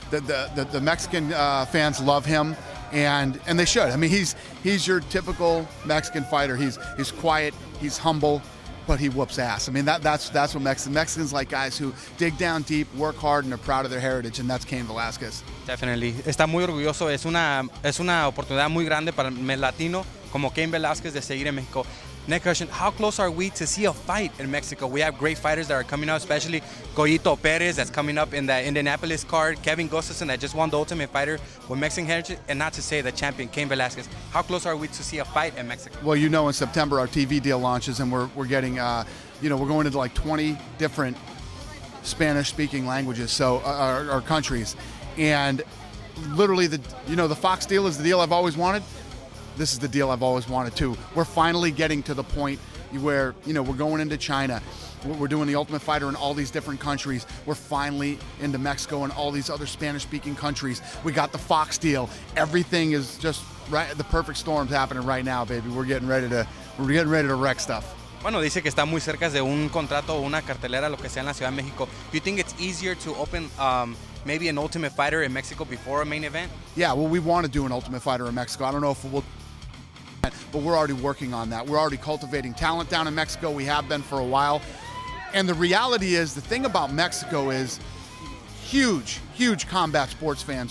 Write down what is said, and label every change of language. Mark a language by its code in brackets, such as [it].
[en] The Mexican fans love him, and they should. I mean, he's your typical Mexican fighter. He's quiet, he's humble, but he whoops ass. I mean, that's what Mexicans like, guys who dig down deep, work hard, and are proud of their heritage, and that's Cain Velasquez. Definitely. [es] Está muy orgulloso. Es una oportunidad muy grande para el latino como Cain Velasquez de seguir en México. [en] Next question, how close are we to see a fight in Mexico? We have great fighters that are coming out, especially Goyito Perez that's coming up in the Indianapolis card, Kevin Gustafson that just won the Ultimate Fighter with Mexican heritage, and not to say the champion, Cain Velasquez. How close are we to see a fight in Mexico? Well, you know, in September our TV deal launches, and we're getting, we're going into like 20 different Spanish-speaking languages, so our countries. And literally, the Fox deal is the deal I've always wanted. This is the deal I've always wanted to. We're finally getting to the point where, we're going into China. We're doing the Ultimate Fighter in all these different countries. We're finally into Mexico and all these other Spanish-speaking countries. We got the Fox deal. Everything is just right. The perfect storm's happening right now, baby. We're getting ready to wreck stuff. [es] Bueno, dice que está muy cerca de un contrato o una cartelera, lo que sea, en la Ciudad de México. [en] Do you think it's easier to open maybe an Ultimate Fighter in Mexico before a main event? Yeah, well, we want to do an Ultimate Fighter in Mexico. I don't know if we'll... But we're already working on that. We're already cultivating talent down in Mexico. We have been for a while. And the reality is, the thing about Mexico is huge, huge combat sports fans.